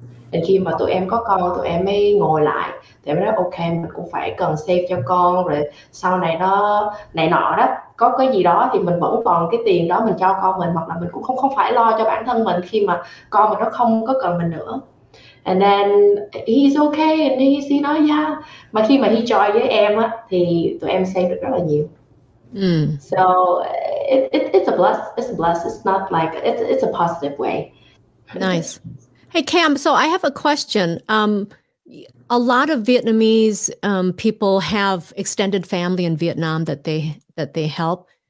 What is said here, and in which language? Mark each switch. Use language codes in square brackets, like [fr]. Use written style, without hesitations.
[vi] Đến khi mà tụi em có con, tụi em mới ngồi lại, tụi em nói ok, mình cũng phải cần save cho con, rồi sau này nó này nọ đó, có cái gì đó thì mình vẫn còn cái tiền đó mình cho con mình, hoặc là mình cũng không phải lo cho bản thân mình khi mà con mình nó không có cần mình nữa. [en] And then he's okay, and he's, you know, yeah. [vi] Mà khi mà [en] he join [vi] với em á, thì tụi em save được rất là nhiều. [en] So it's a plus, it's not like, it's a positive way. Nice. Hey, Cam, so I have a question. A lot of Vietnamese people have extended family in Vietnam that they help.